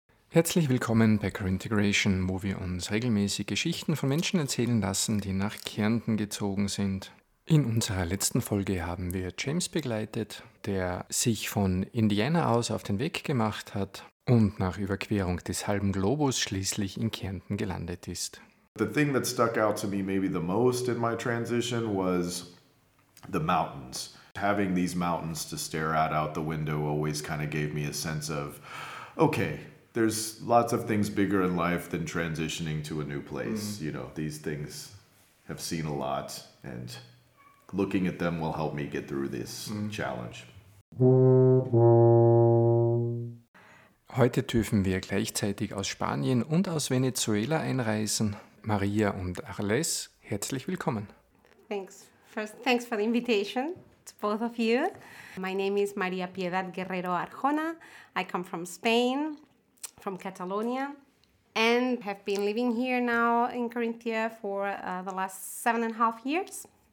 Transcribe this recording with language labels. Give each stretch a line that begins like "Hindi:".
German: Herzlich willkommen bei Corinthigration, wo wir uns regelmäßig Geschichten von Menschen erzählen lassen, die nach Kärnten gezogen sind. In unserer letzten Folge haben wir James begleitet, der sich von Indiana aus auf den Weg gemacht hat und nach Überquerung des halben Globus schließlich in Kärnten gelandet ist.
English: The thing that stuck out to me maybe the most in my transition was the mountains. Having these mountains to stare at out the window always kind of gave me a sense of, okay, there's lots of things bigger in life than transitioning to a new place. Mm. You know, these things have seen a lot and looking at them will help me get through this challenge.
German: Heute dürfen wir gleichzeitig aus Spanien und aus Venezuela einreisen. Maria und Arles, herzlich willkommen.
English: Thanks. First, thanks for the invitation to both of you. My name is Maria Piedad Guerrero Arjona. I come from Spain, from Catalonia, and have been living here now in Corinthia for the last 7.5 years.